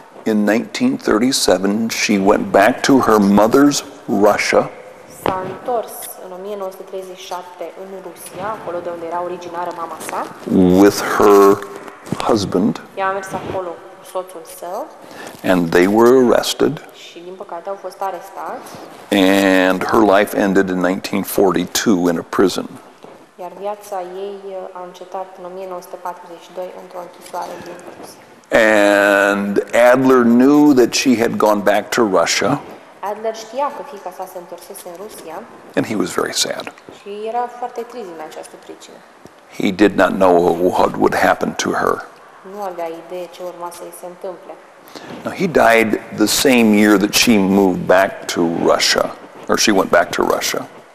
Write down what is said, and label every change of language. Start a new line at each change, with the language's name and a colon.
English: In 1937, she went back to her mother's Russia.
Romanian: S-a întors în 1937 în Rusia, acolo de unde era originară mama sa.
English: With her husband.
Romanian: Ea a mers acolo cu soțul său.
English: And they were arrested.
Romanian: Și din păcate au fost arestați.
English: And her life ended in 1942 in a prison.
Romanian: Iar viața ei a încetat în 1942 într-o închisoare din Rusia.
English: And Adler knew that she had gone back to Russia.
Romanian: Adler știa că fiica sa se întorsese în Rusia.
English: And he was very sad.
Romanian: Și era foarte trist din această pricină.
English: He did not know what would happen to her.
Romanian: Nu avea idee ce urma să-i se întâmple.
English: Now, he died the same year that she moved back to Russia, or she went back to Russia.